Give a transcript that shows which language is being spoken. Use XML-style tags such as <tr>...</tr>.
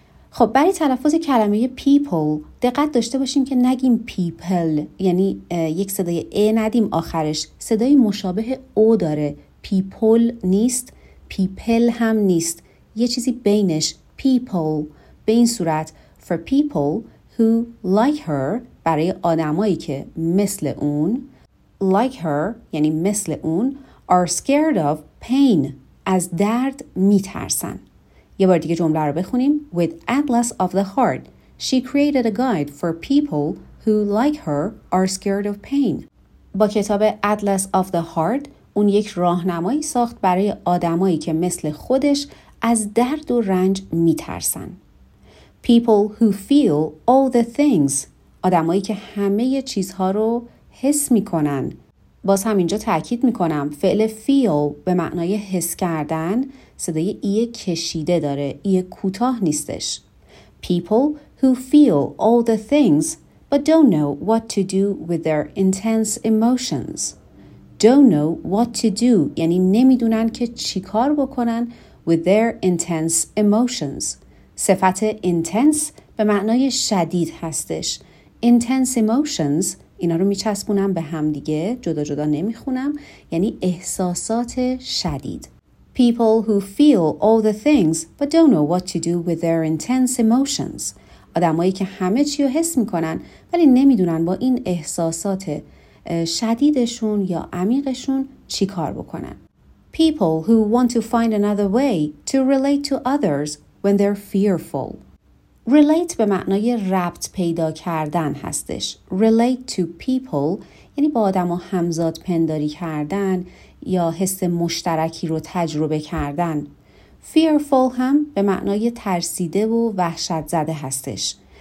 <fa>خب برای تلفظ کلمه people دقت داشته باشیم که نگیم people, یعنی یک صدای ا ندیم آخرش, صدای مشابه او داره, people نیست, people هم نیست, یه چیزی بینش, people, به این صورت</fa> <en>for people who like her,</en> <fa>برای آدمایی که مثل اون,</fa> <en>like her</en> <fa>یعنی مثل اون,</fa> <en>are scared of pain,</en> <fa>از درد می ترسن. یه بار دیگه جمله رو بخونیم.</fa> <en>With Atlas of the Heart, she created a guide for people who, like her, are scared of pain.</en> <fa>با کتاب Atlas of the Heart, اون یک راهنمایی ساخت برای آدمایی که مثل خودش از درد و رنج می ترسن.</fa> <en>People who feel all the things,</en> <fa>آدمایی که همه چیزها رو حس می کنن. باز هم اینجا تأکید میکنم فعل feel به معنای حس کردن صدای ای کشیده داره, ای کوتاه نیستش.</fa> <en>People who feel all the things but don't know what to do with their intense emotions. Don't know what to do</en> <fa>یعنی نمیدونن که چی کار بکنن</fa> <en>with their intense emotions.</en> <fa>صفت intense به معنای شدید هستش.</fa> <en>Intense emotions</en> <fa>اینا رو میچسبونم به هم دیگه, جدا جدا نمیخونم, یعنی احساسات شدید.</fa> <en>People who feel all the things but don't know what to do with their intense emotions.</en> <fa>آدمایی که همه چی رو حس میکنن ولی نمیدونن با این احساسات شدیدشون یا عمیقشون چی کار بکنن.</fa> <en>People who want to find another way to relate to others when they're fearful.</en> <fa>Relate به معنای ربط پیدا کردن هستش.</fa> <en>Relate to people</en> <fa>یعنی با آدم ها همزاد پنداری کردن یا حس مشترکی رو تجربه کردن. Fearful هم به معنای ترسیده و وحشت زده هستش.</fa>